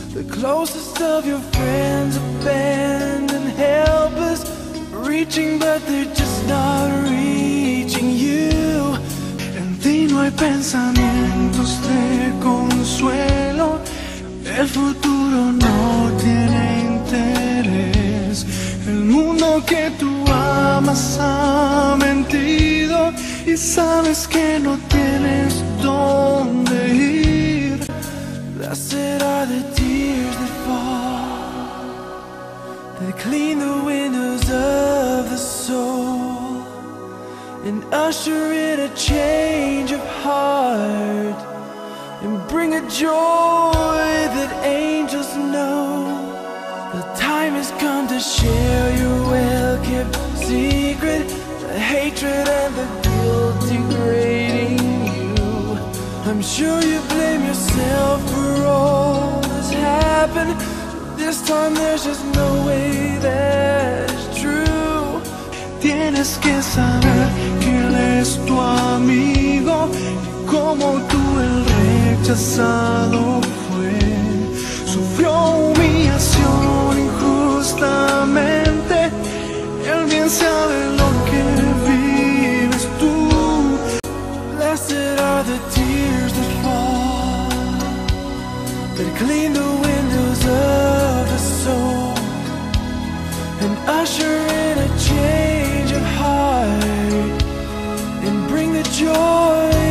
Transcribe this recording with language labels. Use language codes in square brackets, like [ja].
[en] closest of your friends abandon helpless, reaching but they're just not reaching you. [es] En ti no hay pensamientos de consuelo, el futuro no tiene interés. El mundo que tú amas ha mentido y sabes que no tienes dónde ir. [en] That said, are the tears that fall that clean the windows of the soul and usher in a change of heart and bring a joy that angels know. The time has come to share your well-kept secret, the hatred and the guilt degrading you. I'm sure you blame yourself for all that's happened, but this time there's just no way that's true. [es] Tienes que saber que él es tu amigo, como tú el rechazado fue. Sufrió humillación injustamente, él bien sabe lo que vives tú. [en] Blessed are the tears that fall that clean the windows of the soul and usher in a change of heart and bring the joy.